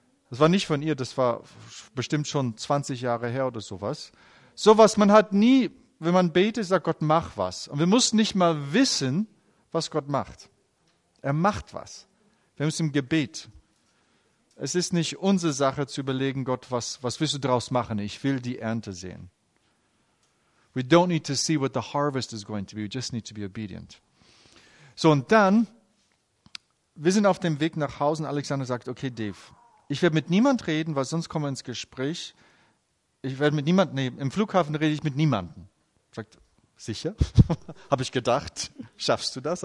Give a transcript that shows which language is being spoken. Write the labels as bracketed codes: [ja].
[de] Das war nicht von ihr, das war bestimmt schon 20 Jahre her oder sowas. Sowas, man hat nie, wenn man betet, sagt Gott, mach was. Und wir müssen nicht mal wissen, was Gott macht. Er macht was. Wir haben es im Gebet. Es ist nicht unsere Sache zu überlegen, Gott, was willst du daraus machen? Ich will die Ernte sehen. [en] We don't need to see what the harvest is going to be. We just need to be obedient. [de] So, und dann, wir sind auf dem Weg nach Hause und Alexander sagt, okay, Dave, ich werde mit niemand reden, weil sonst kommen wir ins Gespräch. Ich werde mit niemandem, nee, im Flughafen rede ich mit niemandem. Sagt, sicher? Habe ich gedacht. Schaffst du das?